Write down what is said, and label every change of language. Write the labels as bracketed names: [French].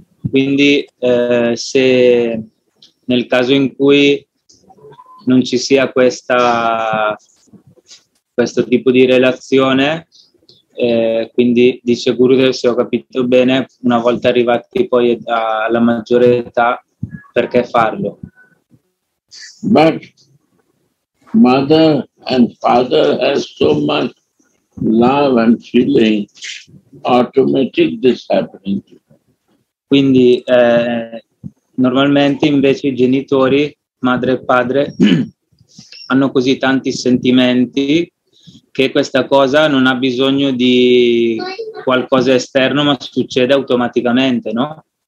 [Italian] Quindi se nel caso in cui non ci sia questo tipo di relazione, quindi dice Gurudev, se ho capito bene, una volta arrivati poi alla maggiore età, perché farlo? [English] But mother and father has so much love and feeling, automatic this happening. [Italian] Quindi normalmente invece i genitori, madre e padre, hanno così tanti sentimenti che questa cosa non ha bisogno di qualcosa esterno, ma succede automaticamente, no?